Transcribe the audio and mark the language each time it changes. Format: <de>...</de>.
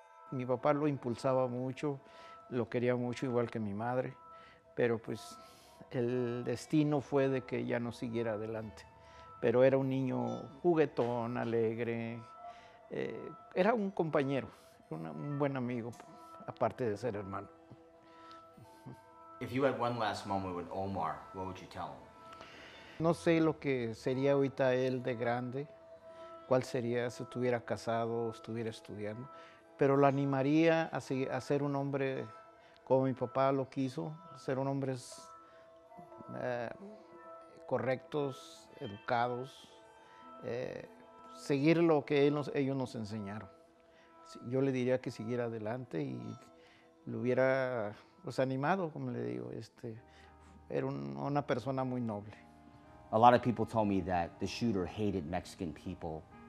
<es>Mi papá lo impulsaba mucho, lo quería mucho igual que mi madre, pero pues el destino fue de que ya no siguiera adelante. Pero era un niño juguetón, alegre, era un compañero. Un buen amigo, aparte de ser hermano.</es> <en>If you had one last moment with Omar, what would you tell him?</en> <es>No sé lo que sería ahorita él de grande, cuál sería si estuviera casado o estuviera estudiando, pero lo animaría a ser un hombre como mi papá lo quiso, ser un hombre correctos, educados, seguir lo que ellos nos enseñaron. Yo le diría que siguiera adelante y lo hubiera pues, animado, como le digo. Era una persona muy noble.</es> <en>A lot of people told me that the shooter hated Mexican people.</en>